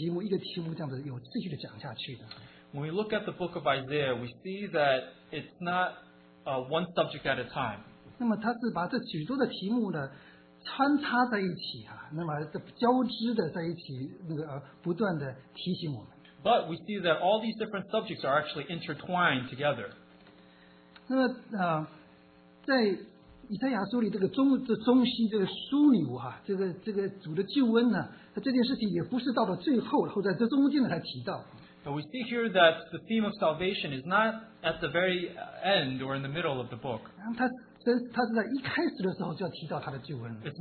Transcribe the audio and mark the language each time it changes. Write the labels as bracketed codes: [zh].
[zh] 在以赛亚书里面，他说到这么多的方面的时候啊，你发觉呢，他不是一个题目这样子有持续的讲下去的。 [en] When we look at the book of Isaiah, we see that it's not one subject at a time. [zh] 那么他是把这许多的题目呢穿插在一起啊，那么交织的在一起，那个不断的提醒我们。 [en] But we see that all these different subjects are actually intertwined together. [zh] 那在以赛亚书里这个中心这个枢纽啊，这个主的救恩呢，这件事情也不是到了最后，然后在这中间才提到。 [en] But we see here that the theme of salvation is not at the very end or in the middle of the book. [zh] 它是在一开始的时候就要提到它的救恩。 [en] It's